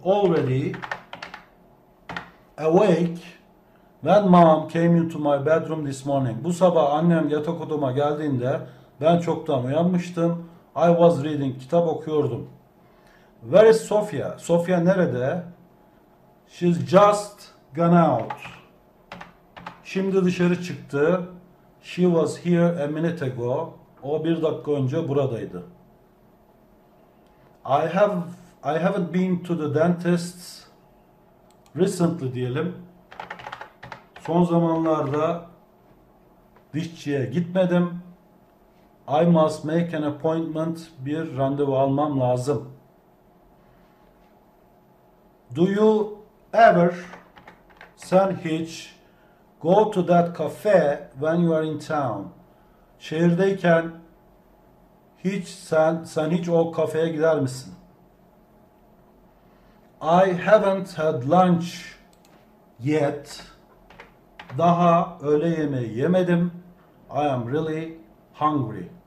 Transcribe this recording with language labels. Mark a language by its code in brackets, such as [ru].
[en] Already awake when mom came into my bedroom this morning. [tr] Bu sabah annem yatak odama geldiğinde ben çoktan uyanmıştım. [en] I was reading, [tr] kitap okuyordum. [en] Where is Sophia? [tr] Sophia nerede? [en] She's just gone out. [tr] Şimdi dışarı çıktı. [en] She was here a minute ago. [tr] O bir dakika önce buradaydı. [en] I haven't been to the dentist recently [tr] diyelim. Son zamanlarda dişçiye gitmedim. [en] I must make an appointment. [tr] Bir randevu almam lazım. [en] Do you ever, [tr] sen hiç, [en] go to that cafe when you are in town. [tr] Şehirdeyken hiç sen hiç o kafeye gider misin? [en] I haven't had lunch yet. [tr] Daha öğle yemeği yemedim. [en] I am really hungry.